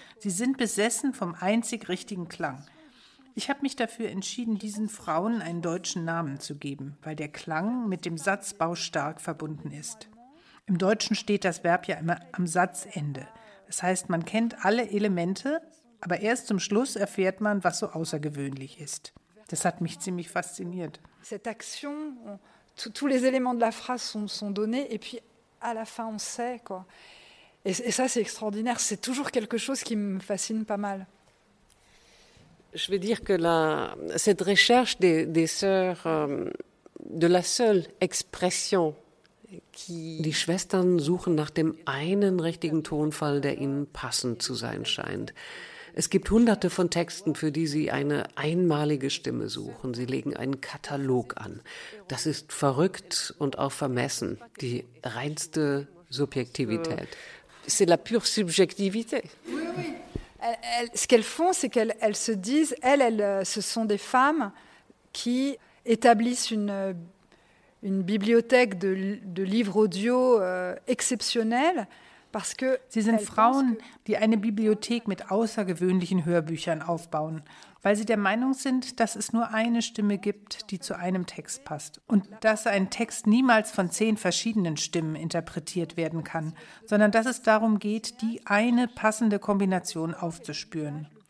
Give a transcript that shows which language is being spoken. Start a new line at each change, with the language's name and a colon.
German: Sie sind besessen vom einzig richtigen Klang. Ich habe mich dafür entschieden, diesen Frauen einen deutschen Namen zu geben, weil der Klang mit dem Satzbau stark verbunden ist. Im Deutschen steht das Verb ja immer am Satzende. Das heißt, man kennt alle Elemente, aber erst zum Schluss erfährt man, was so außergewöhnlich ist. Das hat mich ziemlich fasziniert.
French: Cette action, tous les éléments de la phrase sont donnés et puis à la fin on sait quoi. Et ça c'est extraordinaire, c'est toujours quelque chose qui me fascine pas mal. Je veux dire que cette recherche des sœurs de la seule expression qui
German: Die Schwestern suchen nach dem einen richtigen Tonfall, der ihnen passend zu sein scheint. Es gibt hunderte von Texten, für die sie eine einmalige Stimme suchen. Sie legen einen Katalog an. Das ist verrückt und auch vermessen. Die reinste Subjektivität.
French: C'est la pure subjectivité. Ce qu'elles font, c'est qu'elles se disent, elles, ce sont des femmes qui établissent une bibliothèque de livres audio exceptionnels.
German: Sie sind Frauen, die eine Bibliothek mit außergewöhnlichen Hörbüchern aufbauen, weil sie der Meinung sind, dass es nur eine Stimme gibt, die zu einem Text passt. Und dass ein Text niemals von 10 verschiedenen Stimmen interpretiert werden kann, sondern dass es darum geht, die eine passende Kombination aufzuspüren.